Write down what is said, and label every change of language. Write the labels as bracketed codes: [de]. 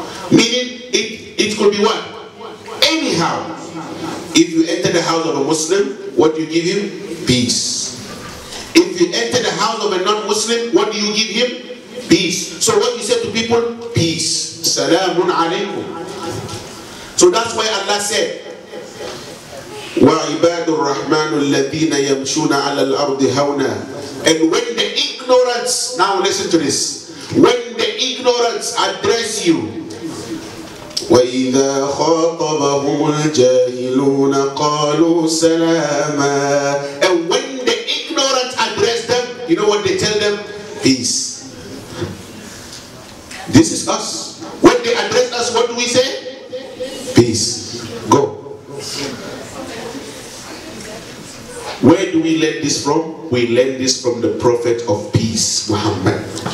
[en] Meaning it could be what? Any house. If you enter the house of a Muslim, what do you give him? Peace. If you enter the house of a non-Muslim, what do you give him? Peace. So what you say to people? Peace. [ar] Salamun alaykum. [en] So that's why Allah said, [ar] وعباد الرحمن الذين يمشون على الأرض هونا. [en] And when the ignorance, now listen to this, when the ignorance address you, [ar] وإذا خاطبهم الجاهلون قالوا سلاما. [en] And when the ignorance address them, you know what they tell them? Peace. This is us. When they address us, what do we say? Peace. Go. Where do we learn this from? We learn this from the Prophet of Peace, Muhammad.